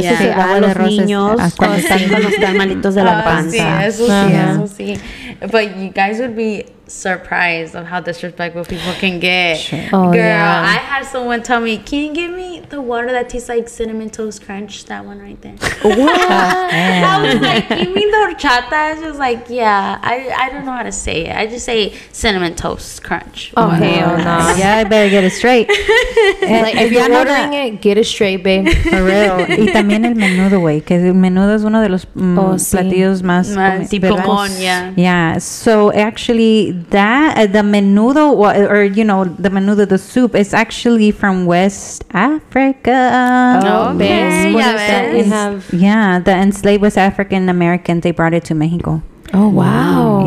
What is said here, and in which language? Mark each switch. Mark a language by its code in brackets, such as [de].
[es] Es agua de arroz niños cuando están con los tamalitos de la panza. Sí, eso sí. [en] But you guys would be surprised of how disrespectful people can get. I had someone tell me, can you give me the water that tastes like Cinnamon Toast Crunch, that one right there? What? I was like, you mean the horchata? I was just like, I don't know how to say it. I just say Cinnamon Toast Crunch. Oh, hell no. I better get it straight. Like, if you're ordering it, get it straight, babe. For real. [es] Y también el menudo, güey, que el menudo es uno de los platillos más típicos. [en] So actually, the menudo, or, you know, the menudo, the soup, is actually from West Africa. Africa. Yeah, the enslaved was African American. They brought it to Mexico. Oh, wow.